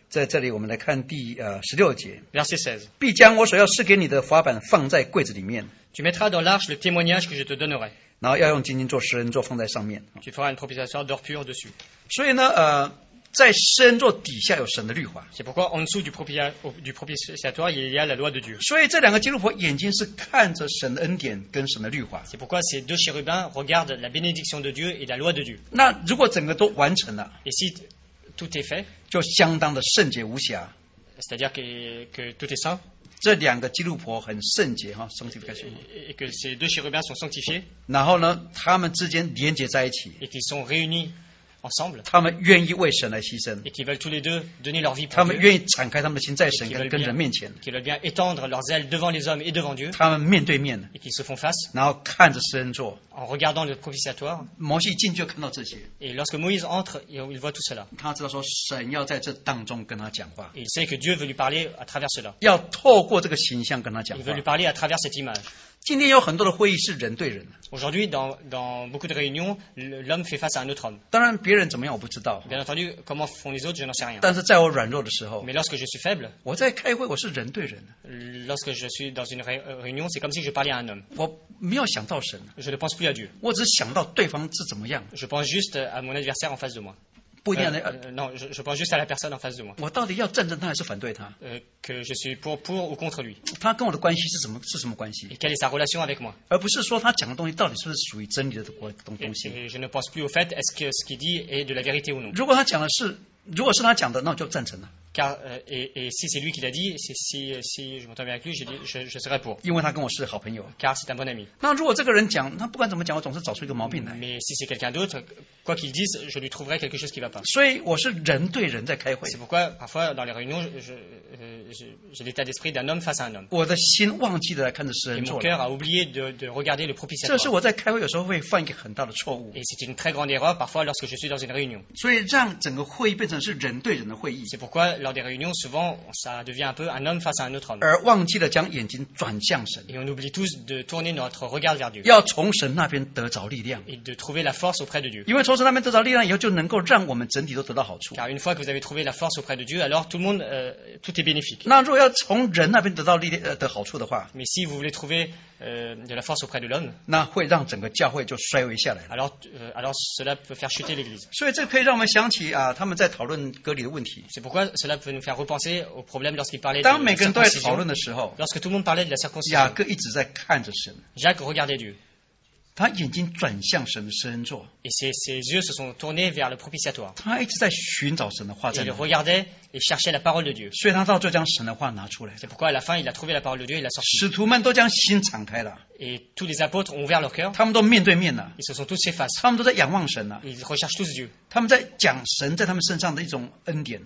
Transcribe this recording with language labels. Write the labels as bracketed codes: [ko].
[zh] 在这里，我们来看第十六节。 [fr] Verset 16. [zh] 必将我所要赐给你的法版放在柜子里面。 [fr] Tu mettras dans l'arche le témoignage que je te donnerai. [zh] 然后要用金金做施恩座放在上面。 [fr] Tu feras une propitiatoire d'or pur dessus. [zh] 所以呢，在施恩座底下有神的律法。 [fr] C'est pourquoi en dessous du propitiatoire, il y a la loi de Dieu. [zh] 所以这两个基督婆眼睛是看着神的恩典跟神的律法。 [fr] C'est pourquoi ces deux chérubins regardent la bénédiction de Dieu et la loi de Dieu. [zh] 那如果整个都完成了。 [fr] Et si tout est fait, [zh] 就相当的圣洁无瑕。 [fr] C'est-à-dire que tout est saint. [zh] 这两个基督婆很圣洁哈 ,sanctification. [fr] Et que ces deux chérubins sont sanctifiés. [zh] 然后呢他们之间连接在一起。 [fr] Et qu'ils sont réunis. Ensemble, [zh] 他们愿意为神来牺牲。 [fr] Et qui veulent tous les deux donner leur vie pour Dieu. [zh] 他们愿意敞开他们的心在神跟人面前。 [fr] Qui veulent bien étendre leurs ailes devant les hommes et devant Dieu. [zh] 他们面对面。 [fr] Et qui se font face. [zh] 然后看着施恩座。 [fr] En regardant le propitiatoire. [zh] 摩西进去看到这些。 [fr] Et lorsque Moïse entre, il voit tout cela. [zh] 他知道说神要在这当中跟他讲话。 [fr] Il sait que Dieu veut lui parler à travers cela. [zh] 要透过这个形象跟他讲话。 [fr] Il veut lui parler à travers cette image. [zh] 今天有很多的会议是人对人的。 [fr] Aujourd'hui, dans beaucoup de réunions, l'homme fait face à un autre homme. [zh] 当然别人怎么样我不知道。 [fr] Bien entendu, comment font les autres, je n'en sais rien. [zh] 但是在我软弱的时候。 [fr] Mais lorsque je suis faible. [zh] 我在开会我是人对人的。 [fr] Lorsque je suis dans une réunion, c'est comme si je parlais à un homme. [zh] 我没有想到神。 [fr] Je ne pense plus à Dieu. [zh] 我只想到对方是怎么样。 [fr] Je pense juste à mon adversaire en face de moi. Non, je pense juste à la personne en face de moi. [zh] 我到底要战胜他还是反对他？ [fr] Que je suis pour ou contre lui. [zh] 他跟我的关系是什么？是什么关系？ [fr] Et quelle est sa relation avec moi? [zh] 而不是说他讲的东西到底是不是属于真理的东西。 [fr] Et je ne pense plus au fait est-ce que ce qu'il dit est de la vérité ou non. [zh] 如果他讲的是如果是他讲的，那我就赞成了。 [fr] Car, et si c'est lui qui l'a dit, si je m'entends bien avec lui, je serai pour. [zh] 因为他跟我是好朋友。 [fr] Car c'est un bon ami. [zh] 那如果这个人讲，他不管怎么讲，我总是找出一个毛病来。 [fr] Mais si c'est quelqu'un d'autre, quoi qu'il dise, je lui trouverai quelque chose qui ne va pas. [zh] 所以我是人对人在开会。 [fr] C'est pourquoi parfois dans les réunions, j'ai l'état d'esprit d'un homme face à un homme. [zh] 我的心忘记了看着神做了。 [fr] Et mon cœur a oublié de regarder le propitiateur. [zh] 这是我在开会有时候会犯一个很大的错误。 [fr] Et c'est une très grande erreur parfois lorsque je suis dans une réunion. [zh] 所以让整个会议变成是人对人的会议。 [fr] C'est pourquoi lors des réunions, souvent, ça devient un peu un homme face à un autre homme. [zh] 而忘记了将眼睛转向神。 [fr] Et on oublie tous de tourner notre regard vers Dieu. [zh] 要从神那边得着力量。 [fr] Et de trouver la force auprès de Dieu. [zh] 因为从神那边得着力量以后，就能够让我们整体都得到好处。 [fr] Car une fois que vous avez trouvé la force auprès de Dieu, alors tout le monde, tout est bénéfique. [zh] 那如果要从人那边得到力量得好处的话 [fr] ，Mais si vous voulez trouver de la force auprès de l'homme, [zh] 那会让整个教会就衰微下来了。 [fr] Alors cela peut faire chuter l'Église. [zh] 所以这可以让我们想起啊，他们在讨论割礼的问题。 [fr] C'est pourquoi cela peut nous faire repenser au problème lorsqu'il parlait de la circoncision. [zh] 当每个人都在讨论的时候 [fr] ，Lorsque tout le monde parlait de la circoncision, [zh] 雅各一直在看着神。 [fr] Jacques regardait Dieu. [zh] 他眼睛转向神的施恩座。 [fr] Et ses yeux se sont tournés vers le propitiatoire. [zh] 他一直在寻找神的话在哪。 [fr] Il regardait et cherchait la parole de Dieu. [zh] 所以他到最后将神的话拿出来。 [fr] C'est pourquoi à la fin il a trouvé la parole de Dieu et l'a sorti. [zh] 使徒们都将心敞开了。 [fr] Et tous les apôtres ont ouvert leur cœur. [zh] 他们都面对面了。 [fr] Ils se sont tous fait face. [zh] 他们都在仰望神了。 [fr] Ils recherchent tous Dieu. [zh] 他们在讲神在他们身上的一种恩典。